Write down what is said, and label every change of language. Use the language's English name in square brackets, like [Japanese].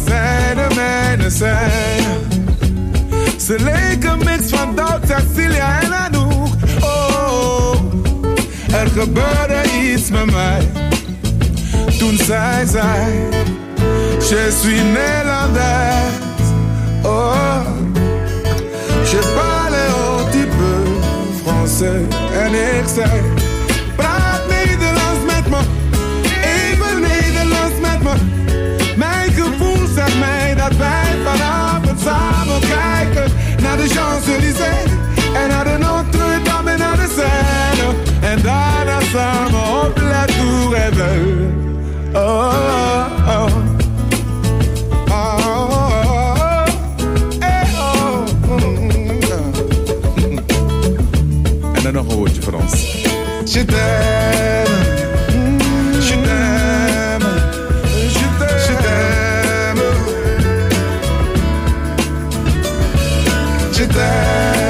[Dutch] Zij de mijne zijn. Ze leek een mix van Doubt, Cecilia en Anouk. Oh, oh, oh, er gebeurde iets met mij. Toen zij zei, [French] je suis Nederlander. Oh, je parle un petit peu français. [Dutch] En ik zei, praat Nederlands met me. Even Nederlands met me. Mijn gevoel zegt mij dat wij vanavond samen kijken naar de Champs-Élysées en naar de Notre-Dame en naar de Seine. En daarna samen op la Tour Eiffel. Oh, oh, oh, oh, oh, oh, oh, oh, hey, oh. Mm-hmm. En dan nog een woordje van ons. [French] Je t'aime, je t'aime, je t'aime, je t'aime, je t'aime.